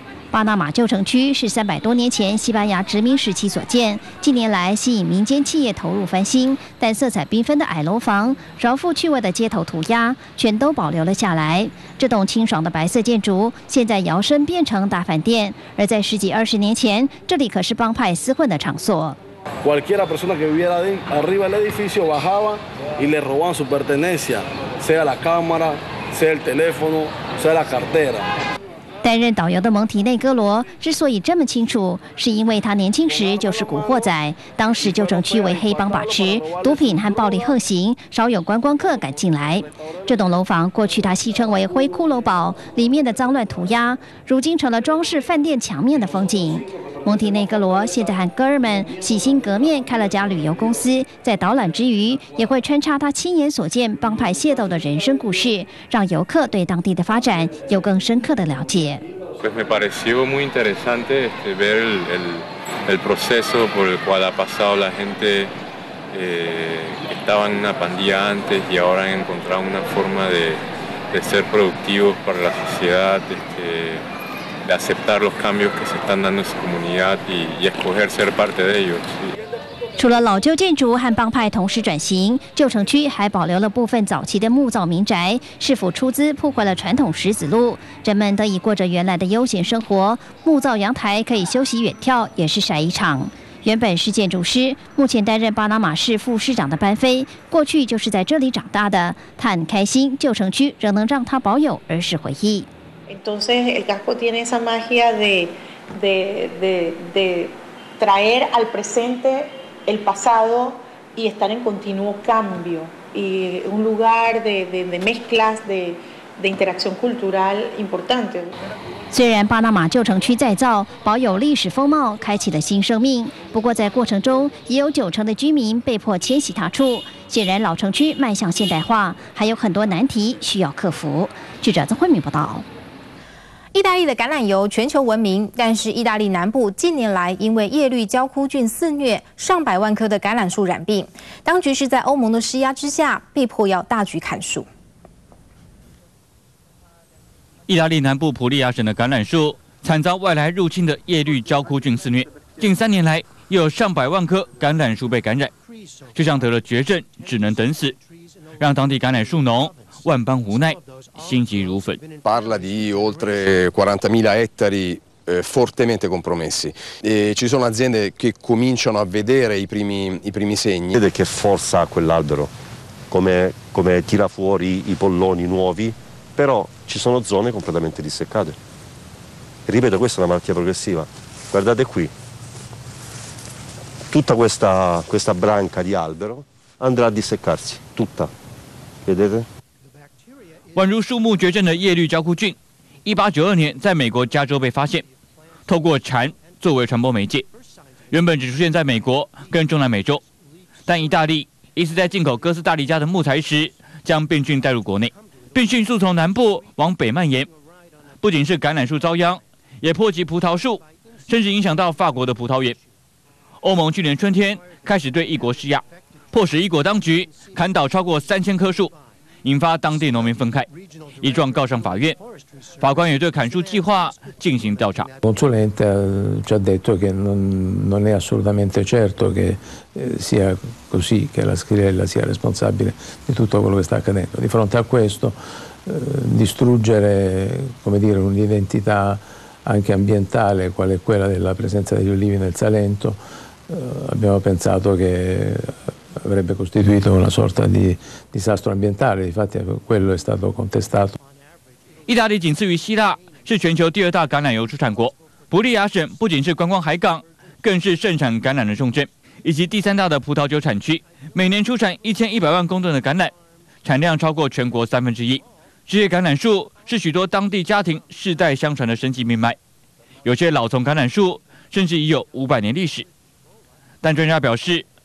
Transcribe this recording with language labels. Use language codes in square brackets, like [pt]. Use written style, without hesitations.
[zh] 巴拿马旧城区是300多年前西班牙殖民时期所建，近年来吸引民间企业投入翻新，但色彩缤纷的矮楼房、饶富趣味的街头涂鸦全都保留了下来。这栋清爽的白色建筑现在摇身变成大饭店，而在10几20年前，这里可是帮派厮混的场所。 [es] Cualquiera persona que viviera arriba del edificio bajaba y le robaban su pertenencia, sea la cámara, sea el teléfono, sea la cartera. [zh] 担任导游的蒙提内哥罗之所以这么清楚，是因为他年轻时就是古惑仔，当时旧城区为黑帮把持，毒品和暴力横行，少有观光客敢进来。这栋楼房过去他戏称为灰骷髅堡，里面的脏乱涂鸦，如今成了装饰饭店墙面的风景。蒙提内哥罗现在和哥儿们洗心革面开了家旅游公司，在导览之余也会穿插他亲眼所见帮派械斗的人生故事，让游客对当地的发展有更深刻的了解。 [es] Pues me pareció muy interesante ver el proceso por el cual ha pasado la gente que estaba en una pandilla antes y ahora han encontrado una forma de ser productivos para la sociedad de aceptar los cambios que se están dando en su comunidad y escoger ser parte de ellos. [zh] 除了老旧建筑和帮派同时转型，旧城区还保留了部分早期的木造民宅，是否出资破坏了传统石子路？人们得以过着原来的悠闲生活，木造阳台可以休息远眺，也是晒衣场。原本是建筑师，目前担任巴拿马市副市长的班菲，过去就是在这里长大的。他很开心，旧城区仍能让他保有儿时回忆。 [es] Entonces el casco tiene esa magia de traer al presente el pasado y estar en continuo cambio y un lugar de mezclas de interacción cultural importante. [zh] 虽然巴拿马旧城区再造保有历史风貌，开启了新生命，不过在过程中也有九成的居民被迫迁徙他处。显然，老城区迈向现代化还有很多难题需要克服。记者曾慧敏报道。意大利的橄榄油全球闻名，但是意大利南部近年来因为叶绿焦枯菌肆虐，上百万棵的橄榄树染病，当局是在欧盟的施压之下被迫要大举砍树。意大利南部普利亚省的橄榄树惨遭外来入侵的叶绿焦枯菌肆虐，近三年来又有上百万棵橄榄树被感染，就像得了绝症只能等死，让当地橄榄树农万般无奈，心急如焚。 [it] Parla di oltre 40.000 ettari fortemente compromessi. Ci sono aziende che cominciano a vedere i primi segni. Vede che forza ha quell'albero, come tira fuori i polloni nuovi, però ci sono zone completamente disseccate. Ripeto, questa è una malattia progressiva. Guardate qui, tutta questa branca di albero andrà a disseccarsi, tutta. Vedete? [zh] 宛如树木绝症的叶绿焦枯菌1892年在美国加州被发现，透过蝉作为传播媒介，原本只出现在美国跟中南美洲，但意大利一次在进口哥斯达黎加的木材时将病菌带入国内，并迅速从南部往北蔓延，不仅是橄榄树遭殃，也波及葡萄树，甚至影响到法国的葡萄园。欧盟去年春天开始对异国施压，迫使异国当局砍倒超过3000棵树，引发当地农民愤慨，一状告上法院，法官也对砍树计划进行调查。 [it] Consulente ci ha detto che non è assolutamente certo che sia così, che la scriella sia responsabile di tutto quello che sta accadendo. Di fronte a questo, distruggere, come dire, un'identità anche ambientale, quale quella della presenza degli ulivi nel Salento, abbiamo pensato che. Avrebbe costituito una sorta di disastro ambientale, infatti quello è stato contestato. [zh] 意大利仅次于希腊，是全球第二大橄榄油出产国。普利亚省不仅是观光海港，更是盛产橄榄的重镇，以及第三大的葡萄酒产区，每年出产1100万公吨的橄榄，产量超过全国1/3。这些橄榄树是许多当地家庭世代相传的生计命脉，有些老丛橄榄树甚至已有500年历史。但专家表示。